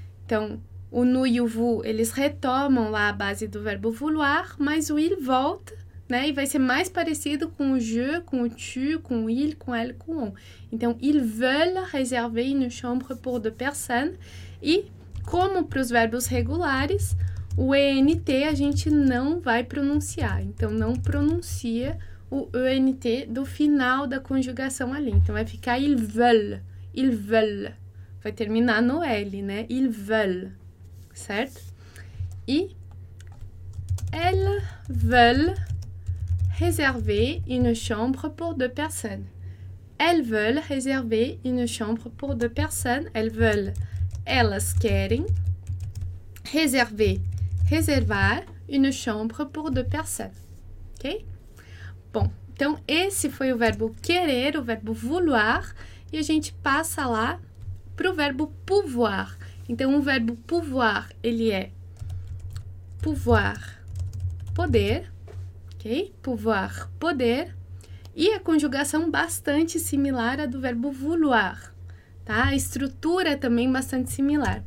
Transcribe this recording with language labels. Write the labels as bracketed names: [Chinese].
[Portuguese] Então, o nous e o vous, eles retomam lá a base do verbo vouloir, mas o il volta, né? E vai ser mais parecido com o je, com o tu, com o il, com elle, com on. [French] Então, ils veulent réserver une chambre pour deux personnes. [Portuguese] E como para os verbos regulares, o ENT a gente não vai pronunciar. Então, não pronuncia o ENT do final da conjugação ali. Então, vai ficar [French] ils veulent. [Portuguese] Vai terminar no L, né? Ils veulent. Certo? [French] E elles veulent réserver une chambre pour deux personnes. Elles veulent réserver une chambre pour deux personnes. [Portuguese] Elas querem reservar [French] une chambre pour deux personnes. [Portuguese] Ok? Bom, então esse foi o verbo querer, o verbo vouloir, e a gente passa lá para o verbo pouvoir. Então, o verbo pouvoir, ele é pouvoir, poder, ok? Pouvoir, poder. E a conjugação bastante similar à do verbo vouloir, tá? A estrutura também bastante similar.